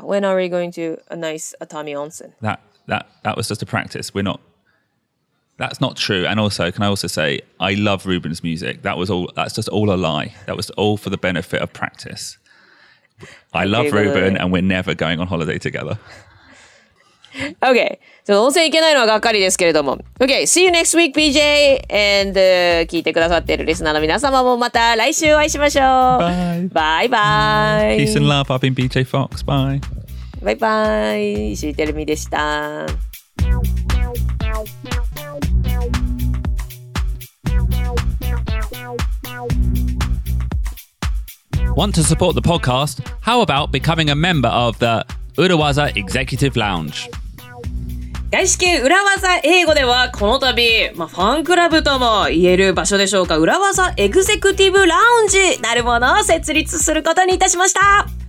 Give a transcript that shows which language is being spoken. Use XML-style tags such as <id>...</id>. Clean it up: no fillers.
<en>When are we going to a nice Atami onsen? That was just a practice. We're not... That's not true. And also, can I also say, I love Ruben's music. That's just all a lie. That was all for the benefit of practice. I love Ruben, and we're never going on holiday together. Okay.</en> <ja>So, 温泉行けないのはがっかりですけれども。</ja> <en>Okay. See you next week, BJ.</en> <ja>And 聞いてくださっているリスナーの皆様もまた来週お会いしましょう。</ja> <en>Bye. Bye bye. Peace and love. I've been BJ Fox. Bye. Bye bye.</en> <ja>石井テルミでした。</ja> <en>Want to support the podcast? How about becoming a member of the Urawaza Executive Lounge?</en> <ja>外資系裏技英語ではこの度、まあ、ファンクラブとも言える場所でしょうか、裏技エグゼクティブラウンジなるものを設立することにいたしました。</ja>